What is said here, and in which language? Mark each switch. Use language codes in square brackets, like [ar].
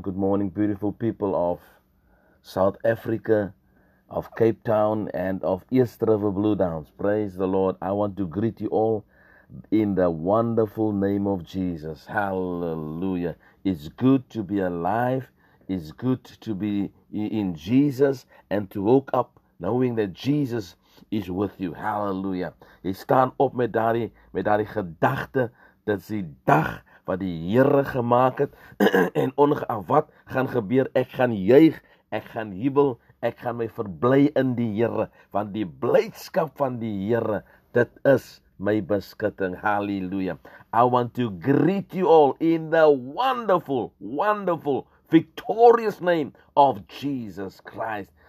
[en] Good morning, beautiful people of South Africa, of Cape Town, and of East River Blue Downs. Praise the Lord. I want to greet you all in the wonderful name of Jesus. Hallelujah. It's good to be alive. It's good to be in Jesus and to woke up knowing that Jesus is with you. Hallelujah. [af] Jy staan op met daardie gedagte dat die dag wat die Here gemaak het en ongeag wat gaan gebeur, ek gaan juig, ek gaan jubel, ek gaan my verbly in die Here, want die blydskap van die Here, dit is my beskutting. [en] Hallelujah. I want to greet you all in the wonderful, wonderful, victorious name of Jesus Christ.